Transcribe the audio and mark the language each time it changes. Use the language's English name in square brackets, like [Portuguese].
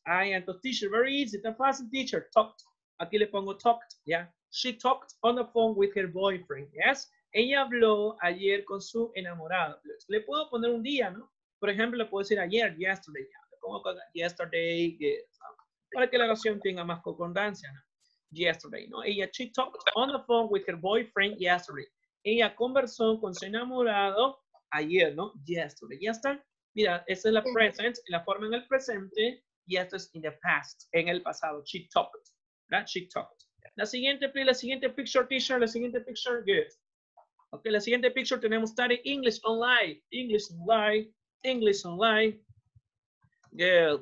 [Spanish] Ay, entonces, [English] teacher, very easy. The past tense, teacher, talked. [Spanish] Aquí le pongo talked, [English] ¿ya? Yeah. She talked on the phone with her boyfriend, ¿yes? [Spanish] Ella habló ayer con su enamorado. Le puedo poner un día, ¿no? Por ejemplo, puedo decir ayer, yesterday. ¿Cómo yesterday? Yes. Para que la oración tenga más concordancia, ¿no? [English] Yesterday, ¿no? Ella, she talked on the phone with her boyfriend yesterday. [Spanish] Ella conversó con su enamorado ayer, ¿no? Yesterday. ¿Ya está? Mira, esa es la present, la forma en el presente. Y esto es [English] in the past, [Spanish] en el pasado. [English] She talked, ¿verdad? She talked. La siguiente, please, [Spanish] la siguiente [English] picture, teacher, la siguiente picture, good. Ok, [Spanish] la siguiente picture tenemos [English] study English online. English online, English online. Good.